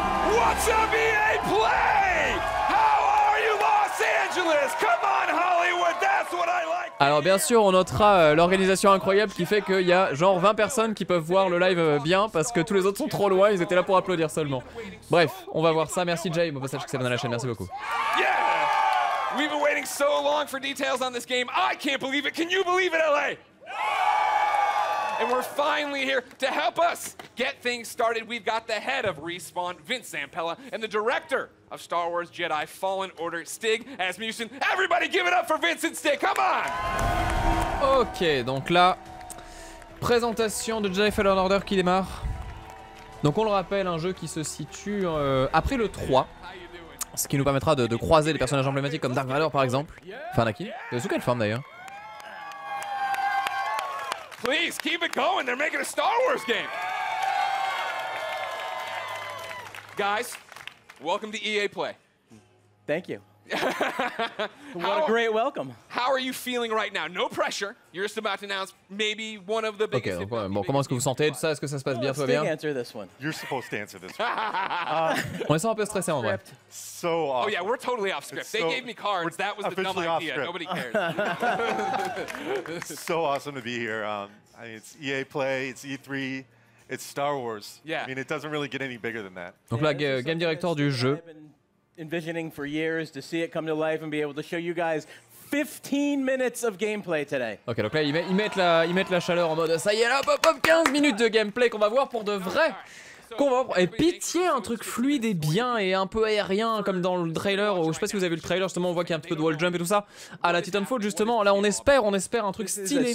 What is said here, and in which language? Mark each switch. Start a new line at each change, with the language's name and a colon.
English: What's up, EA Play? How are you, Los Angeles? Come on, Hollywood, that's what I like!
French: Alors bien sûr, on notera l'organisation incroyable qui fait qu'il y a genre 20 personnes qui peuvent voir le live bien, parce que tous les autres sont trop loin, ils étaient là pour applaudir seulement. Bref, on va voir ça, merci Jay, bon passage que ça vient à la chaîne, merci beaucoup.
English: Yeah! We've been waiting so long for details on this game, I can't believe it, can you believe it, LA? And we're finally here to help us get things started. We've got the head of Respawn, Vince Zampella, and the director of Star Wars Jedi Fallen Order, Stig Asmussen. Everybody give it up for Vince and Stig, come on!
French: Ok, donc là, présentation de Jedi Fallen Order qui démarre. Donc on le rappelle, un jeu qui se situe après le 3. Ce qui nous permettra de croiser des personnages emblématiques comme Dark Vador par exemple. Enfin, Anakin. Sous quelle forme d'ailleurs?
English: Please keep it going. They're making a Star Wars game. Guys, welcome to EA Play. Thank you. What a great welcome. How are you feeling right now? No pressure. You're just about to announce maybe one of the biggest. Okay.
French: Bon, comment est-ce que vous sentez? Tout ça, est-ce que ça se passe bien? Tout bien?
English: Let's answer this one. You're supposed to answer this one.
French: On est un peu stressé en vrai.
English: So off. Oh yeah, we're totally off script. They gave me cards. That was the dumb idea. Nobody cared. So awesome to be here. I mean, it's EA Play. It's E3. It's Star Wars. Yeah. I mean, it doesn't really get any bigger than that.
French: Donc là, game director du jeu.
English: Envisioning for years to see it come to life and be able to show you guys 15 minutes of gameplay today.
French: Ok, donc là ils mettent la chaleur en mode ça y est là, pop pop, 15 minutes de gameplay qu'on va voir pour de vrai. Et pitié, un truc fluide et bien et un peu aérien comme dans le trailer, où, je sais pas si vous avez vu le trailer, justement on voit qu'il y a un petit peu de wall jump et tout ça. À la Titanfall justement, là on espère un truc stylé.